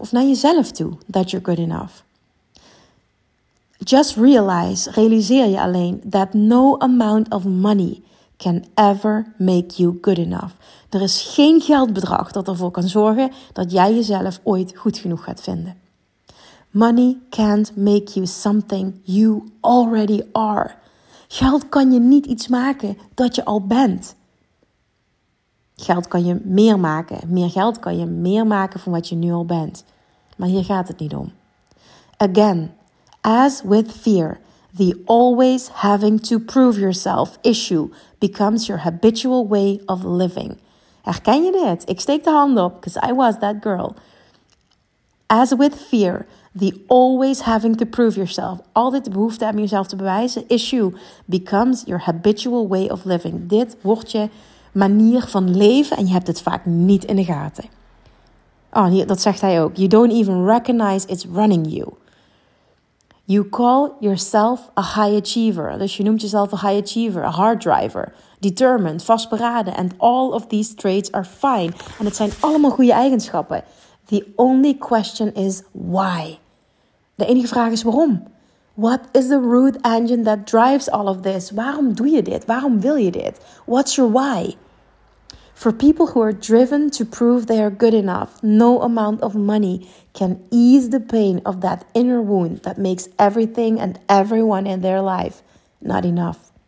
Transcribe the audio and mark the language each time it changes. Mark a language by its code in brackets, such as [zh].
[nl] Of naar jezelf toe [en] that you're good enough. Just realize, [nl] realiseer je alleen, [en] that no amount of money can ever make you good enough. [nl] Er is geen geldbedrag dat ervoor kan zorgen dat jij jezelf ooit goed genoeg gaat vinden. [en] Money can't make you something you already are. [nl] Geld kan je niet iets maken dat je al bent. Geld kan je meer maken. Meer geld kan je meer maken van wat je nu al bent. Maar hier gaat het niet om. [en] Again, as with fear, the always having to prove yourself issue becomes your habitual way of living. [nl] Herken je dit? Ik steek de hand op, [en] because I was that girl. As with fear, the always having to prove yourself, [nl] altijd de behoefte om jezelf te bewijzen, [en] issue becomes your habitual way of living. [nl] Dit wordt je manier van leven en je hebt het vaak niet in de gaten. Oh, dat zegt hij ook. [en] You don't even recognize it's running you. You call yourself a high achiever. [nl] Dus je noemt jezelf [en] a high achiever, a hard driver, determined, vastberaden. And all of these traits are fine. [nl] En het zijn allemaal goede eigenschappen. [en] The only question is why? [nl] De enige vraag is waarom? [en] What is the root engine that drives all of this? [nl] Waarom doe je dit? [en] Waarom wil je dit? What's your why? For people who are driven to prove they are good enough, no amount of money can ease the pain of that inner wound that makes everything and everyone in their life not enough.